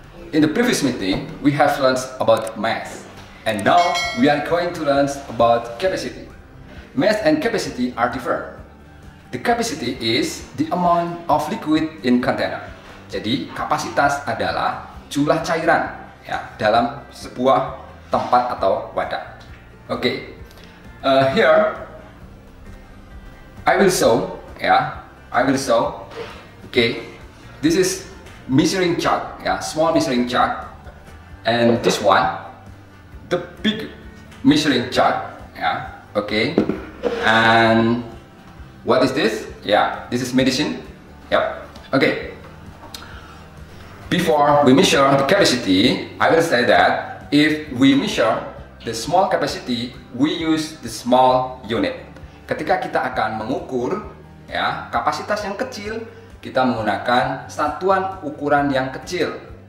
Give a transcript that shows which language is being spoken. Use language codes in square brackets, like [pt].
[en] In the previous meeting, we have learned about mass. And now, we are going to learn about capacity. Mass and capacity are different. The capacity is the amount of liquid in container. [id] Jadi, kapasitas adalah jumlah cairan ya, dalam sebuah tempat atau wadah. [en] Oke. Okay. Here I will show ya. Yeah, I will show. Okay. This is measuring chart ya, yeah, small measuring chart. And this one the big measuring chart ya. Yeah, oke. Okay. And what is this? Yeah, this is medicine. Yep. Oke. Okay. Before we measure the capacity, I will say that if we measure the small capacity, we use the small unit. [id] Ketika kita akan mengukur ya, kapasitas yang kecil, kita menggunakan satuan ukuran yang kecil.